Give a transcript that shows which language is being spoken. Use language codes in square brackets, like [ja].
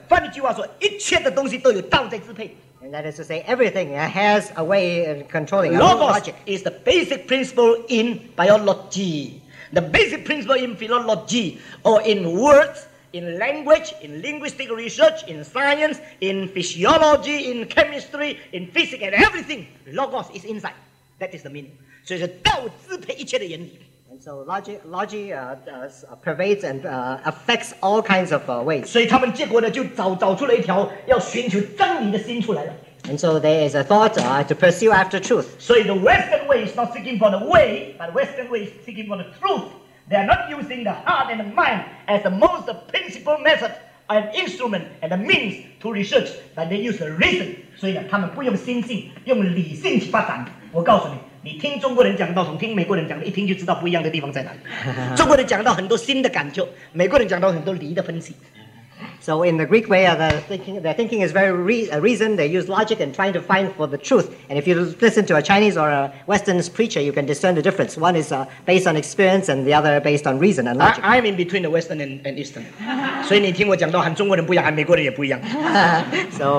[zh] 换句话说, 一切的东西都有道在支配。 [en] And that is to say, everything has a way of controlling logos logic. Is the basic principle in biology. The basic principle in philology, or in words, in language, in linguistic research, in science, in physiology, in chemistry, in physics, and everything, logos is inside. That is the meaning. [zh] 所以是道支配一切的原理。 [en] And so logic pervades and affects all kinds of ways. [zh] 所以他们结果呢就找出了一条要寻求真理的心出来了。 [en] And so there is a thought to pursue after truth. [zh] 所以 [en] the Western way is not seeking for the way, but Western way is seeking for the truth. They are not using the heart and the mind as the most principal method and instrument and the means to research, but they use the reason. [zh] 所以呢他们不用心性，用理性去发展。我告诉你。你听中国人讲道，从听美国人讲的，一听就知道不一样的地方在哪里。中国人讲道很多新的感觉，美国人讲道很多理的分析。So [en] in the Greek way, their thinking is very reason. They use logic and trying to find for the truth. And if you listen to a Chinese or a Western preacher, you can discern the difference. One is based on experience, and the other based on reason and logic. I'm in between the Western and Eastern. [zh] 所以你听我讲到，和中国人不一样，和美国人也不一样。So